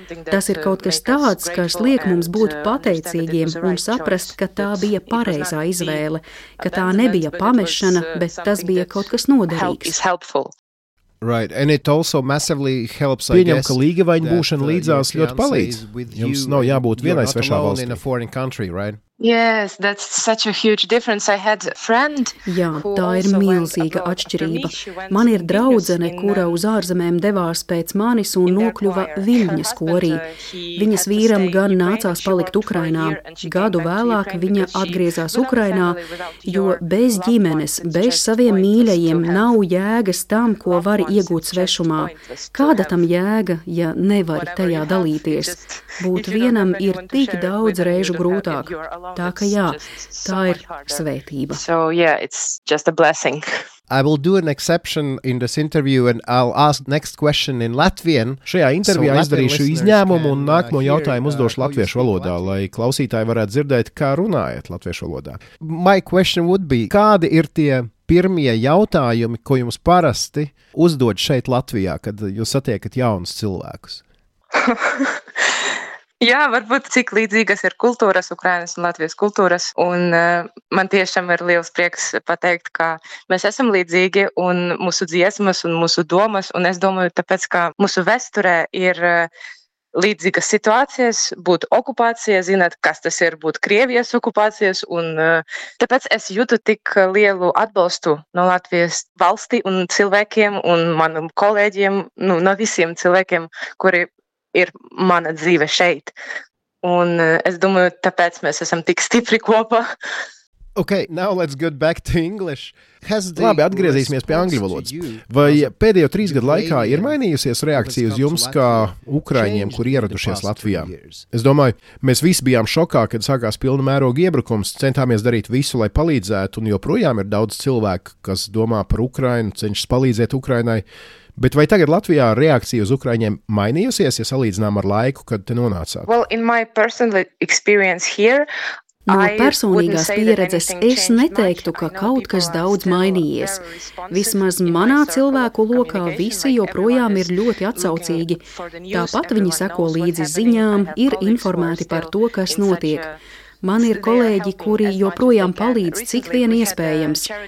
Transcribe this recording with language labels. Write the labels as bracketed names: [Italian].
[Latvian] Tas ir kaut kas tāds, kas liek mums būt pateicīgiem un saprast, ka tā bija pareizā izvēle, ka tā nebija pamešana, bet tas bija kaut kas noderīgs. [English] Right, and it also massively helps, [Latvian] Pieņem, ka līgavaiņa būšana līdzās ļoti palīdz. Jums nav jābūt vienai svešā valstī. [English] Yes, that's such a huge difference. I had a friend. [Latvian] Jā, tā ir milzīga atšķirība. Man ir draudzene, kura uz ārzemēm devās pēc manis un nokļuva Viļņas korī. Viņas vīram gan nācās palikt Ukrainā. Gadu vēlāk viņa atgriezās Ukrainā, jo bez ģimenes, bez saviem mīļajiem nav jēgas tam, ko var iegūt svešumā. Kāda tam jēga, ja nevar tajā dalīties? Būt vienam ir tik daudz reižu grūtāk. Tā ka jā, tā ir svētība. [English] So yeah, it's just a blessing. I will do an exception in this interview and I'll ask next question in Latvian. [Latvian] Šajā intervijā izdarīšu izņēmumu un nākamo jautājumu uzdošu latviešu valodā, lai klausītāji varētu dzirdēt, kā runājat latviešu valodā. [English] My question would be, [Latvian] kādi ir tie pirmie jautājumi, ko jums parasti uzdod šeit Latvijā, kad jūs satiekat jaunus cilvēkus? Jā, varbūt cik līdzīgas ir kultūras, Ukrainas un Latvijas kultūras, un man tiešām ir liels prieks pateikt, ka mēs esam līdzīgi, un mūsu dziesmas un mūsu domas, un es domāju, tāpēc, ka mūsu vēsturē ir līdzīgas situācijas, būt okupācija, zināt, kas tas ir būt Krievijas okupācijas, un tāpēc es jūtu tik lielu atbalstu no Latvijas valstī un cilvēkiem, un manam kolēģiem, nu, no visiem cilvēkiem, kuri ir mana dzīve šeit. Un es domāju, tāpēc mēs esam tik stipri kopā. [English] Okay, now let's get back to English. [Latvian] Labi, atgriezīsimies pie angļu valodas. Vai pēdējo 3 gadu laikā ir mainījusies reakcija uz jums kā ukraiņiem, kur ieradušies Latvijā? Es domāju, mēs visi bijām šokā, kad sākās pilna mēroga iebrukums, centāmies darīt visu, lai palīdzētu, un joprojām ir daudz cilvēku, kas domā par Ukrainu, cenšas palīdzēt Ukrainai. Bet vai tagad Latvijā reakcija uz ukraiņiem mainījusies, ja salīdzinām ar laiku, kad te nonācāt? [English] Well, in my personal experience here, [Latvian] No personīgās pieredzes es neteiktu, ka kaut kas daudz mainījies. Vismaz manā cilvēku lokā visi joprojām ir ļoti atsaucīgi. Tāpat viņi seko līdzi ziņām, ir informēti par to, kas notiek. Man ir kolēģi, kuri joprojām palīdz cik vien iespējams.